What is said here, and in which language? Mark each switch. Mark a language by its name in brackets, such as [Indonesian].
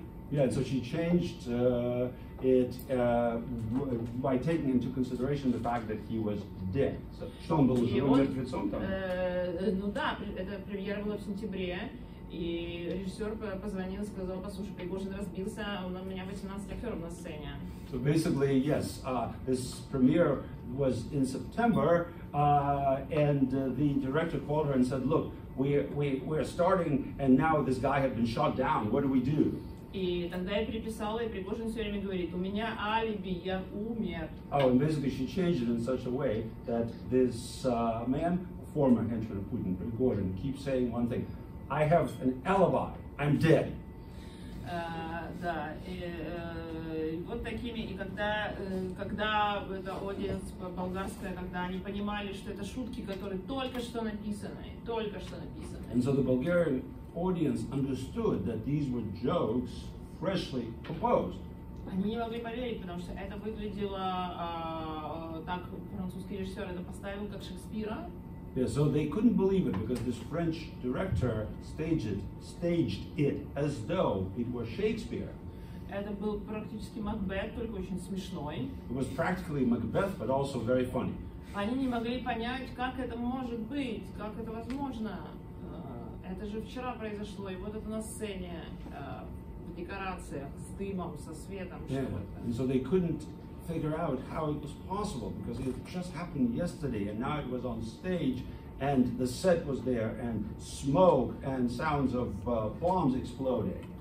[English] Yeah, so she changed it by taking into consideration the fact that he was dead. [Russian] So, что он был уже умер перед сонтом? Ну да, это премьера была в сентябре, и режиссер позвонил и сказал, послушай, Пригожин разбился, у меня 18 актеров на сцене. [English] So basically, yes, this premiere was in September, and the director called her and said, look, we're starting, and now this guy had been shot down, what do we do? [Russian] И тогда я переписала, и Пригожин все время говорит, у меня алиби, я умер. [English] Oh, and basically she changed it in such a way that this man, former henchman of Putin, Пригожин, keeps saying one thing, I have an alibi, I'm dead. [Russian] Да, и вот такими, и когда эта аудиенция болгарская, когда они понимали, что это шутки, которые только что написаны. [English] And so the Bulgarian audience understood that these were jokes freshly composed. [Russian] Они не могли поверить, потому что это выглядело так, французский режиссер это поставил, как Шекспира. [English] Yeah, so they couldn't believe it because this French director staged it as though it were Shakespeare. [Russian] Это был практически Макбет, только очень смешной. [English] It was practically Macbeth, but also very funny. [Russian] Они не могли понять, как это может быть, как это возможно. Это же вчера произошло, и вот это на сцене, в декорациях, с дымом, со светом, yeah, что-то. [English] And so they couldn't figure out how it was possible because it just happened yesterday and now it was on stage and the set was there and smoke and sounds of bombs exploding.